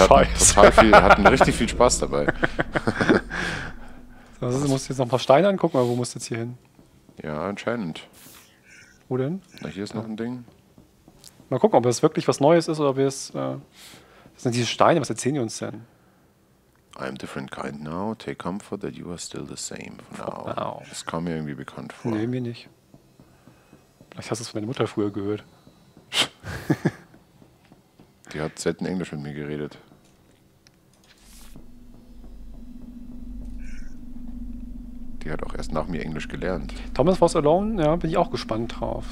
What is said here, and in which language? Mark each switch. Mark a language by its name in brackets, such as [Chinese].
[German] hatten richtig viel Spaß dabei. Also, du musst jetzt noch ein paar Steine angucken, aber wo musst du jetzt hier hin? Ja, anscheinend. Wo denn? Na, hier ist noch ein Ding. Mal gucken, ob das wirklich was Neues ist oder ob es. Was sind diese Steine? Was erzählen die uns denn? [English] I'm different kind now. Take comfort that you are still the same for now. [German] Das kam mir irgendwie bekannt vor. Nee, mir nicht. Vielleicht hast du es von deiner Mutter früher gehört. Die hat selten Englisch mit mir geredet. Die hat auch erst nach mir Englisch gelernt. Thomas Was Alone, ja, bin ich auch gespannt drauf.